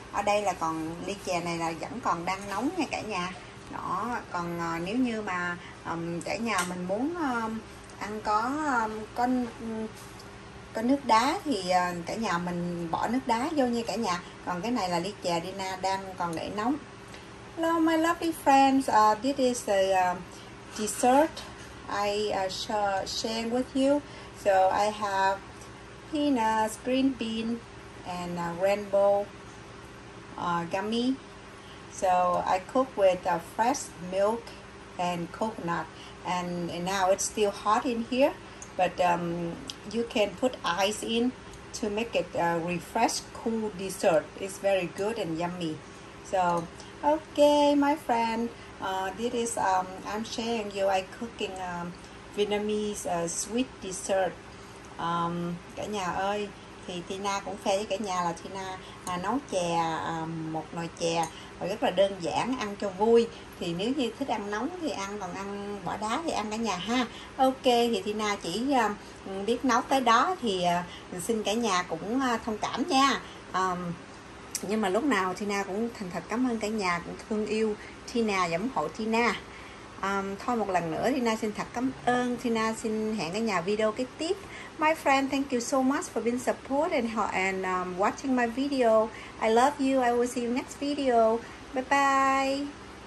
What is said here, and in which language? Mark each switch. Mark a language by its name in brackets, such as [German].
[Vietnamese] Ở đây là còn ly chè này là vẫn còn đang nóng nha cả nhà. Đó, còn nếu như mà cả nhà mình muốn ăn có nước đá thì cả nhà mình bỏ nước đá vô nha cả nhà. Còn cái này là ly chè Tina đang còn để nóng. [English] Hello my lovely friends, this is the dessert I share with you. So I have peanuts, green bean and rainbow gummy. So I cook with fresh milk and coconut, and now it's still hot in here, but you can put ice in to make it a refresh cool dessert. It's very good and yummy. So okay my friend, this is I'm sharing you, I cooking Vietnamese sweet dessert. [Vietnamese] Cả nhà ơi, thì Tina cũng phê với cả nhà là Tina nấu chè, một nồi chè rất là đơn giản, ăn cho vui. Thì nếu như thích ăn nóng thì ăn, còn ăn bỏ đá thì ăn cả nhà ha. Ok, thì Tina chỉ biết nấu tới đó thì xin cả nhà cũng thông cảm nha. Nhưng mà lúc nào Tina cũng thành thật cảm ơn cả nhà cũng thương yêu Tina, ủng hộ Tina. Thôi một lần nữa Tina xin thật cảm ơn. Tina xin hẹn cả nhà video kế tiếp. [English] My friend, thank you so much for being support and watching my video. I love you. I will see you next video. Bye bye.